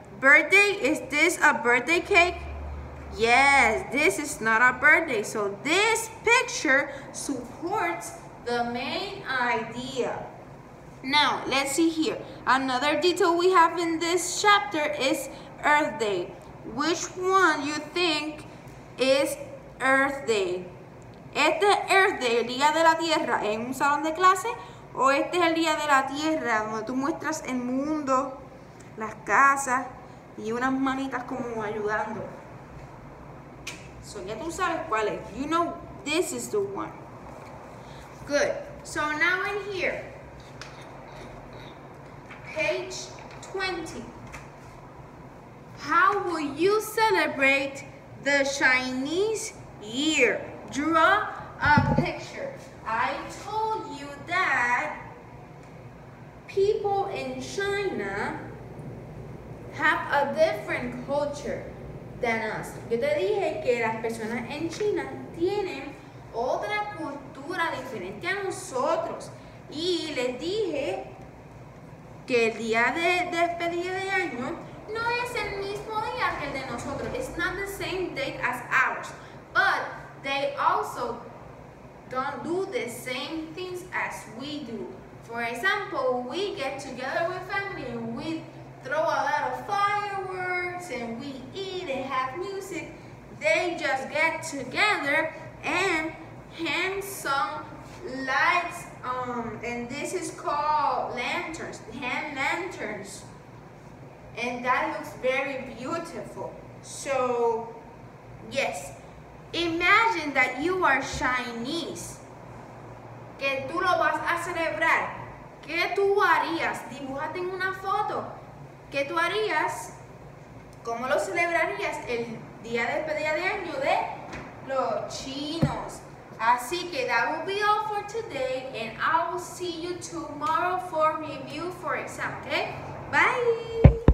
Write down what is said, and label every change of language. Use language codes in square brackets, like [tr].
[en] Birthday, is this a birthday cake? Yes, this is not a birthday. So this picture supports the main idea. Now, let's see here. Another detail we have in this chapter is Earth Day. Which one you think is Earth Day? [es] ¿Este es Earth Day, el día de la Tierra, en un salón de clase? ¿O este es el día de la Tierra, donde tú muestras el mundo, las casas y unas manitas como ayudando? [en] So ya tú sabes cuál es. You know this is the one. Good. So now in here, page 20. How will you celebrate the Chinese year? Draw a picture. I told you that people in China have a different culture than us. [es] Yo te dije que las personas en China tienen otra cultura diferente a nosotros. Y les dije que el día de despedida de año no es el mismo día que el de nosotros. [en] It's not the same date as ours. But they also don't do the same things as we do. For example, we get together with family and we throw a lot of fireworks and we eat and have music. They just get together and hang some lights on. And this is called lanterns, hand lanterns. And that looks very beautiful. So, yes. Imagine that you are Chinese. Que tú lo vas a celebrar. [es] ¿Qué tú harías? Dibújate en una foto. ¿Qué tú harías? ¿Cómo lo celebrarías el día de despedida de año de los chinos? [en] Así que that will be all for today and I will see you tomorrow for review for exam, okay? Bye!